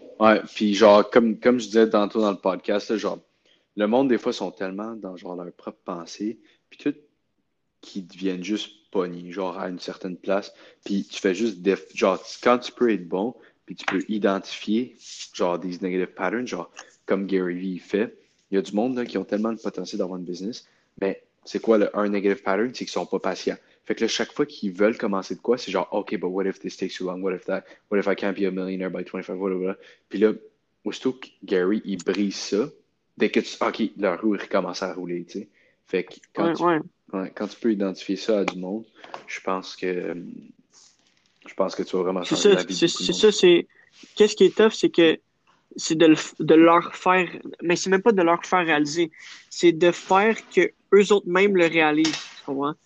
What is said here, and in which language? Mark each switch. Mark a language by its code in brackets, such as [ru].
[fr] Ouais, puis genre, comme je disais tantôt dans le podcast, là, genre, le monde, des fois, sont tellement dans genre leur propre pensée, puis tout, qu'ils deviennent juste pognés, genre, à une certaine place, puis tu fais juste, genre, quand tu peux être bon, puis tu peux identifier, genre, des negative patterns, genre, comme Gary Vee fait, il y a du monde, là, qui ont tellement le potentiel d'avoir une business, mais c'est quoi un negative pattern? C'est qu'ils sont pas patients. Fait que là, chaque fois qu'ils veulent commencer de quoi, c'est genre, OK, [en] but what if this takes too long? What if I can't be a millionaire by 25? [fr] Voilà. Puis là, aussitôt que Gary, il brise ça, dès que OK, leur roue, il recommence à rouler, tu sais. Fait que quand tu peux identifier ça à du monde, je pense que tu vas vraiment C'est changer ça, la vie de beaucoup de monde. c'est qu'est-ce qui est tough, c'est que c'est de leur faire, mais c'est même pas de leur faire réaliser, c'est de faire que eux autres même le réalisent. Tu comprends?